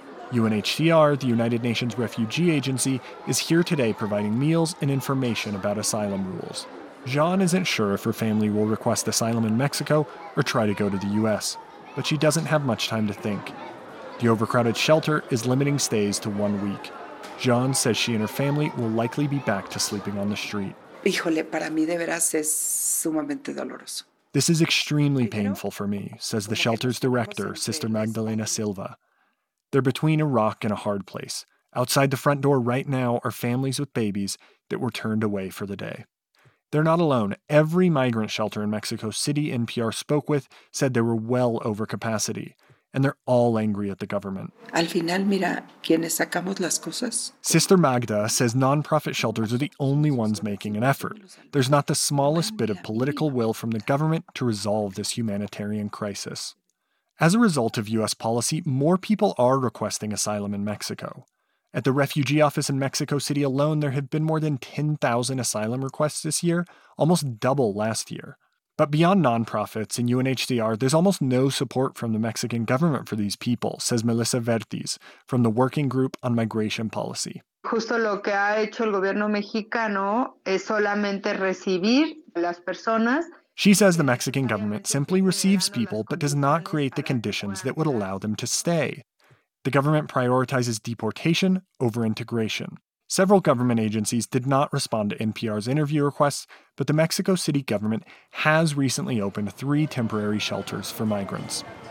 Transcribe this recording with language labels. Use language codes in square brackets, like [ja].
[en] UNHCR, the United Nations Refugee Agency, is here today providing meals and information about asylum rules. Jean isn't sure if her family will request asylum in Mexico or try to go to the U.S., but she doesn't have much time to think. The overcrowded shelter is limiting stays to 1 week. Jean says she and her family will likely be back to sleeping on the street. [es] Híjole, para mí de veras es sumamente doloroso. [en] This is extremely painful for me, says the shelter's director, Sister Magdalena Silva. They're between a rock and a hard place. Outside the front door right now are families with babies that were turned away for the day. They're not alone. Every migrant shelter in Mexico City NPR spoke with said they were well over capacity. And they're all angry at the government. [es] Al final, mira, quienes sacamos las cosas. [en] Sister Magda says nonprofit shelters are the only ones making an effort. There's not the smallest bit of political will from the government to resolve this humanitarian crisis. As a result of U.S. policy, more people are requesting asylum in Mexico. At the refugee office in Mexico City alone, there have been more than 10,000 asylum requests this year, almost double last year. But beyond nonprofits and UNHCR, there's almost no support from the Mexican government for these people, says Melissa Vertiz from the Working Group on Migration Policy. [es] Justo lo que ha hecho el gobierno mexicano es solamente recibir las personas. [en] She says the Mexican government simply receives people but does not create the conditions that would allow them to stay. The government prioritizes deportation over integration. Several government agencies did not respond to NPR's interview requests, but the Mexico City government has recently opened 3 temporary shelters for migrants.